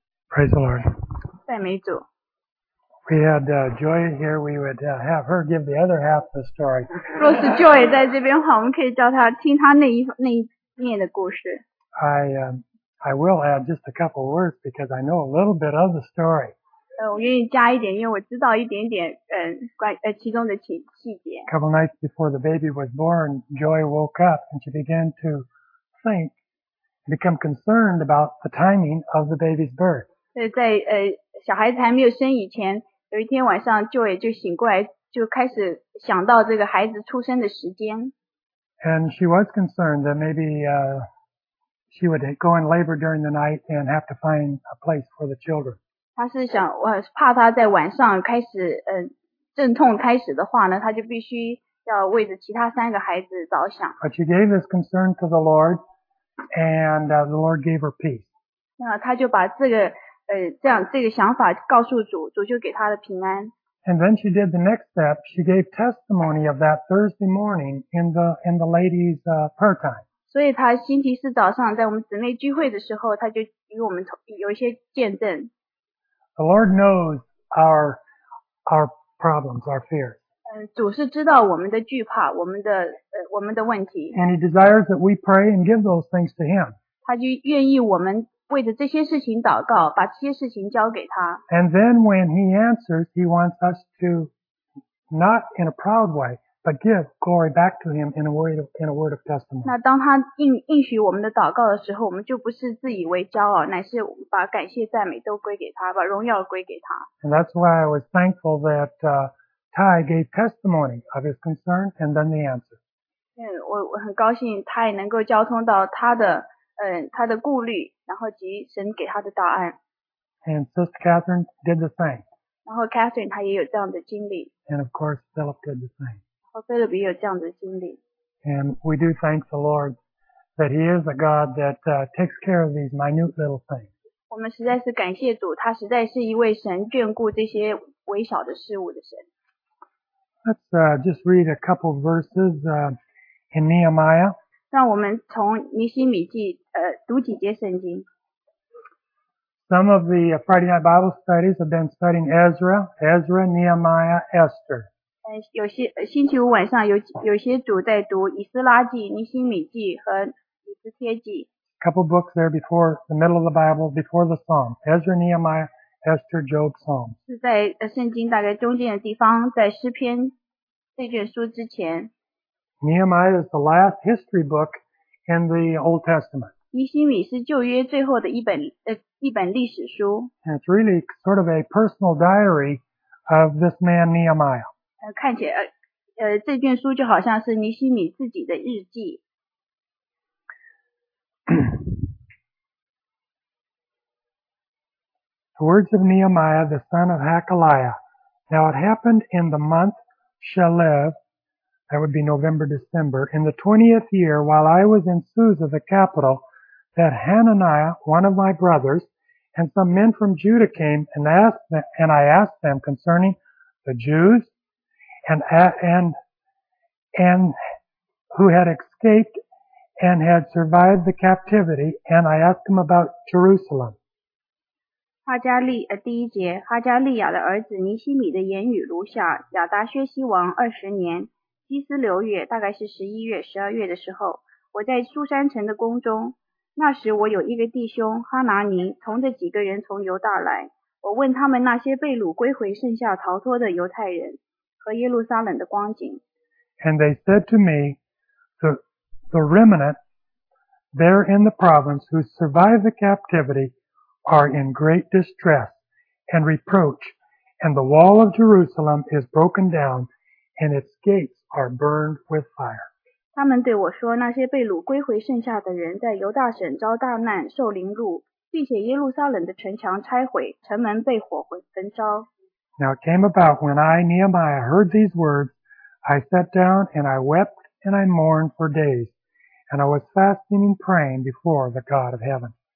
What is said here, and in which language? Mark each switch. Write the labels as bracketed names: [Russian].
[English] Praise the Lord. [Chinese] 赞美主。 [English] We had Joy here, we would have her give the other half of the story. [Chinese] 若是 Joy 在这边的话，我们可以叫她听她那一面的故事。 [English] I will add just a couple words because I know a little bit of the story. [Chinese] 我愿意加一点，因为我知道一点点其中的细节。 [English] A couple nights before the baby was born, Joy woke up and she began to think, become concerned about the timing of the baby's birth. [Chinese] 在小孩子还没有生以前，有一天晚上 Joy 就醒过来，就开始想到这个孩子出生的时间。 [English] And she was concerned that maybe she would go in labor during the night and have to find a place for the children. [Chinese] 她是想，我怕她在晚上开始阵痛开始的话呢，她就必须要为着其他三个孩子着想。 [English] But she gave this concern to the Lord, and the Lord gave her peace. [Chinese] 那她就把这个想法告诉主，主就给她的平安。 [English] And then she did the next step. She gave testimony of that Thursday morning in the ladies' prayer time. [Chinese] 所以她星期四早上在我们姊妹聚会的时候，她就与我们有一些见证。 [English] The Lord knows our problems, our fears. [Chinese] 主是知道我们的惧怕，我们的问题。 [English] And He desires that we pray and give those things to Him. [Chinese] 他就愿意我们。为着这些事情祷告，把这些事情交给他。 [English] And then when he answers, he wants us to, not in a proud way, but give glory back to him in a word of testimony. [Chinese] 那当他应许我们的祷告的时候，我们就不是自以为骄傲，乃是把感谢赞美都归给他，把荣耀归给他。 [English] And that's why I was thankful that Ty gave testimony of his concern and then the answer. [Chinese] 我很高兴他也能够交通到他的顾虑，然后及神给他的答案。 [English] And Sister Catherine did the same. [Chinese] 然后 Catherine 她也有这样的经历。 [English] And of course Philip did the same. [Chinese] 然后 Philip 也有这样的经历。 [English] And we do thank the Lord that He is a God that takes care of these minute little things. [Chinese] 我们实在是感谢主，他实在是一位神眷顾这些微小的事物的神。 [English] Let's just read a couple of verses in Nehemiah. [Chinese] 让我们从尼希米记读几节圣经。 [English] Some of the Friday night Bible studies have been studying Ezra, Nehemiah, Esther. [Chinese] 有些星期五晚上有些主在读以斯拉记、尼希米记和以斯帖记。 [English] A couple books there before the middle of the Bible, before the Psalm. Ezra, Nehemiah, Esther, Job, Psalm. [Chinese] 是在圣经大概中间的地方，在诗篇这卷书之前。 [English] Nehemiah is the last history book in the Old Testament. [Chinese] 尼希米是旧约最后的一本历史书。 [English] And it's really sort of a personal diary of this man Nehemiah. [Chinese] 看起来这卷书就好像是尼希米自己的日记。 [English] The words of Nehemiah, the son of Hakaliah. Now it happened in the month Shelev. That would be November, December. In the 20th year, while I was in Susa, the capital, that Hananiah, one of my brothers, and some men from Judah came and asked them, and I asked them concerning the Jews and who had escaped and had survived the captivity, and I asked them about Jerusalem. [Chinese] 哈加利第一节，哈加利亚的儿子尼希米的言语如下：亚达薛西王二十年。基斯流月大概是11月12月的时候，我在苏珊城的宫中，那时我有一个弟兄哈拿尼同着几个人从犹大来，我问他们那些被掳归回剩下逃脱的犹太人和耶路撒冷的光景。 [English] And they said to me, the remnant there in the province who survived the captivity are in great distress and reproach, and the wall of Jerusalem is broken down, and its gates are burned with fire. [Chinese] 他们对我说，那些被掳归回剩下的人在犹大省遭大难，受凌辱，并且耶路撒冷的城墙拆毁，城门被火焚烧。 [English] Now it came about when I, Nehemiah, heard these words, I sat down and I wept and I mourned for days, and I was fasting and praying before the God of heaven.